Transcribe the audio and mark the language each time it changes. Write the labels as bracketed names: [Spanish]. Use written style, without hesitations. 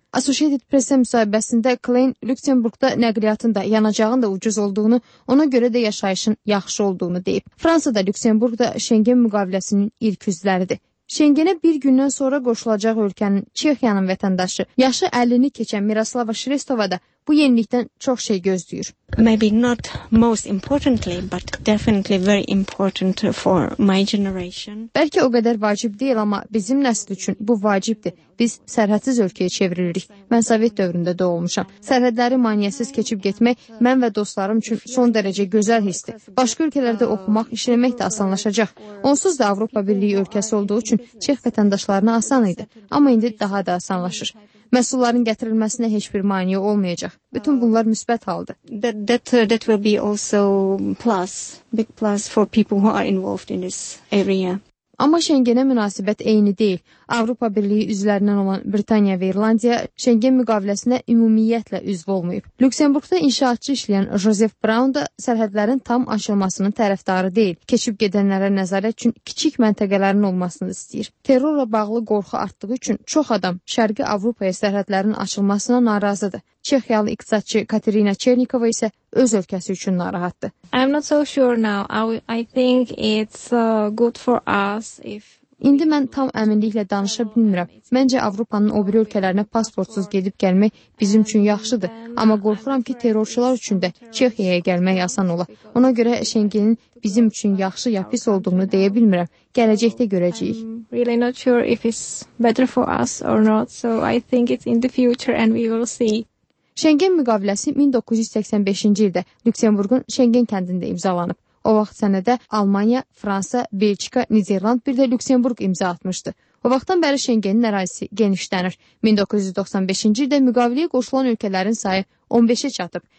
[Azerbaijani] Associated Press-ə müsahibəsində Klein Lüksemburqda nəqliyyatın da, yanacağın da ucuz olduğunu, ona görə də yaşayışın yaxşı olduğunu deyib. Fransada Lüksemburqda Şengen müqaviləsinin ilk üzvləridir. Şengenə bir gündən sonra qoşulacaq ölkənin Çexiyanın vətəndaşı, yaşı 50-ni keçən Miroslava Şrestova da bu yenilikdən çox şey gözləyir. [English] Maybe not most importantly, but definitely very important for my generation. [Azerbaijani] Bəlkə o qədər vacib deyil, amma bizim nəsil üçün bu vacibdir. Biz sərhədsiz ölkəyə çevrilirik. Mən Sovet dövründə doğulmuşam. Sərhədləri maniyyəsiz keçib getmək mən və dostlarım üçün son dərəcə gözəl hissdir. Başqa ölkələrdə oxumaq, işləmək də asanlaşacaq. Onsuz da Avropa Birliyi ölkəsi olduğu üçün Çex vətəndaşlarına asan idi. Amma indi daha da asanlaşır. Məhsulların gətirilməsinə heç bir maniyyə olmayacaq. Bütün bunlar müsbət haldır. [English] That will be also plus, big plus for people who are involved in this area. [Azerbaijani] Amma Şengenə münasibət eyni deyil. Avropa Birliyi üzvlərindən olan Britaniya və İrlandiya Şengen müqaviləsinə ümumiyyətlə üzv olmayıb. Lüksemburqda inşaatçı işləyən Joseph Brown da sərhədlərin tam açılmasının tərəfdarı deyil. Keçib gedənlərə nəzarət üçün kiçik məntəqələrin olmasını istəyir. Terrorla bağlı qorxu artdığı üçün çox adam Şərqi Avropaya sərhədlərin açılmasına narazıdır. Çexiyalı iqtisadçı Katerina Çernikova isə öz ölkəsi üçün narahatdır. [English] I'm not so sure now. I think it's good for us if [Azerbaijani] İndi mən tam əminliklə danışa bilmirəm. Məncə, Avropanın o biri ölkələrinə pasportsuz gedib gəlmək bizim üçün yaxşıdır. Amma qorxuram ki, terrorçular üçün də Çexiyaya gəlmək asan ola. Ona görə Şengenin bizim üçün yaxşı ya pis olduğunu deyə bilmirəm. Gələcəkdə görəcəyik. [English] Really not sure if it's better for us or not. So I think it's in the future and we will see. [Azerbaijani] Şengen müqaviləsi 1985-ci ildə Lüksemburqun Şengen kəndində imzalanıb. O vaxt sənədə Almanya, Fransa, Belçika, Niderland, bir də Lüksemburq imza atmışdı. O vaxtdan bəri Şengenin ərazisi genişlənir. 1995-ci ildə müqaviləyə qoşulan ölkələrin sayı 15-ə çatıb.